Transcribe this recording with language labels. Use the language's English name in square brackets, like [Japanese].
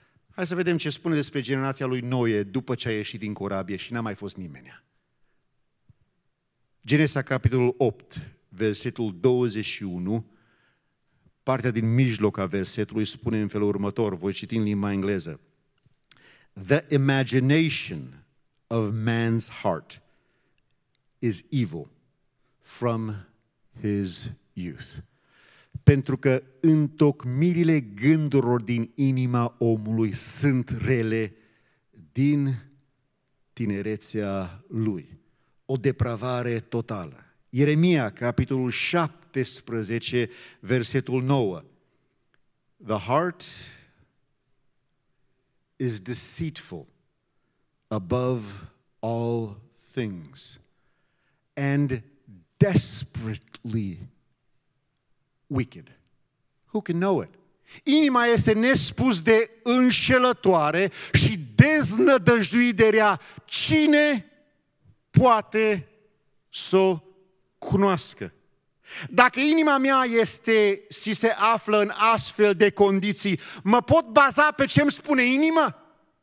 [Romanian] Hai să vedem ce spune despre generația lui Noe după ce a ieșit din corabie și n-a mai fost nimenea. Genesa, capitolul 8, versetul 21, partea din mijloc a versetului spune în felul următor, voi citi în limba engleză. [English] The imagination of man's heart is evil from his youth. [Romanian] Pentru că întocmirile gândurilor din inima omului sunt rele din tinerețea lui. O depravare totală. Ieremia, capitolul 17, versetul 9. [English] The heart is deceitful above all things and desperately wicked. Who can know it? [Romanian] Inima este nespus de înșelătoare și deznădăjduirea. Cine poate să o cunoască? Dacă inima mea este și se află în astfel de condiții, mă pot baza pe ce îmi spune inima?